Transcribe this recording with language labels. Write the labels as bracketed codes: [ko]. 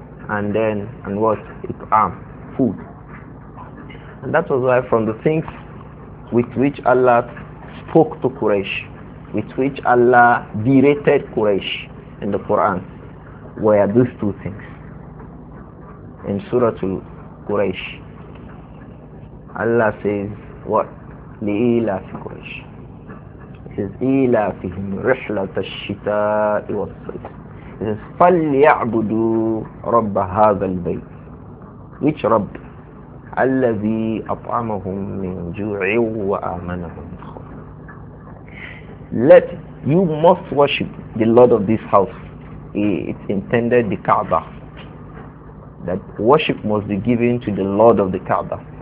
[en] And what? Food. And that was why from the things with which Allah spoke to Quraysh, with which Allah berated Quraysh in the Quran, were these two things. In Surah Quraysh, Allah says what? [ar] لِإِلَافِ Quraysh. [en] He says, [ar] إِلَافِهِمْ رِحْلَةَ الشِّتَاءِ وَالصَّيْفِ. [en] He says, [ar] فَلْيَعْبُدُوا رَبَّ هَذَا الْبَيْتِ. [en] Which Rabb? [ar] الَّذِي أَطْعَمَهُمْ مِنْ جُوعٍ وَآمَنَهُمْ [en] Let you must worship the Lord of this house. It's intended the Kaaba. That worship must be given to the Lord of the Kaaba.